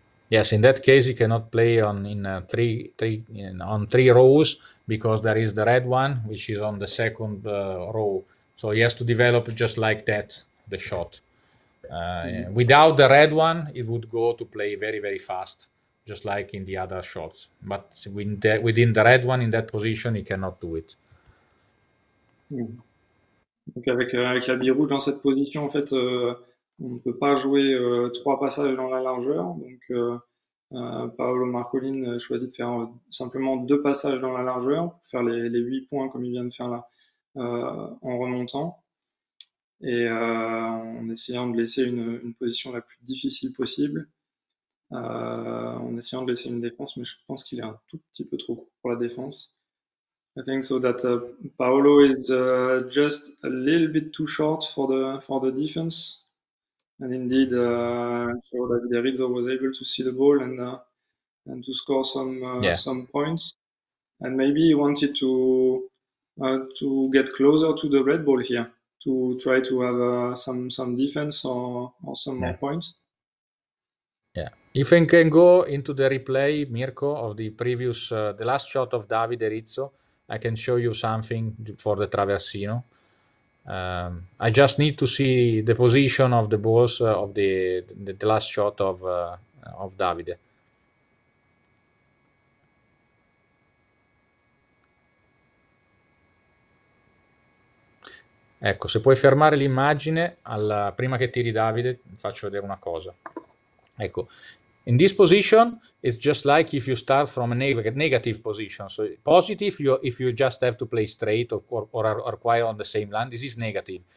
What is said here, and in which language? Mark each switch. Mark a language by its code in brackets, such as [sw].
[en] Yes, in that case you cannot play on three rows, because there is the red one which is on the second row. So he has to develop just like that the shot. Without the red one, it would go to play very very fast, just like in the other shots. But within the red one in that position, he cannot do it. [fr] Donc avec la bille rouge dans cette position, en fait, on ne peut pas jouer trois passages dans la largeur. Donc Paolo Marcolin choisit de faire simplement deux passages dans la largeur pour faire les 8 points comme il vient de faire là en remontant, et en essayant de laisser une position la plus difficile possible, en essayant de laisser une défense, mais je pense qu'il est un tout petit peu trop court pour la défense. [en] I think so that Paolo is just a little bit too short for the defense. And indeed, David Rizzo was able to see the ball and to score some points. And maybe he wanted to get closer to the red ball here, to try to have some defense or some more points. Yeah. If I can go into the replay, Mirko, of the previous, the last shot of David Rizzo, I can show you something for the traversino. I just need to see the position of the balls of the last shot of Davide. [it] Ecco, se puoi fermare l'immagine, alla, prima che tiri Davide, faccio vedere una cosa. [en] Ecco, in this position, it's just like if you start from a negative position. So positive, if you just have to play straight or quite on the same line, this is negative.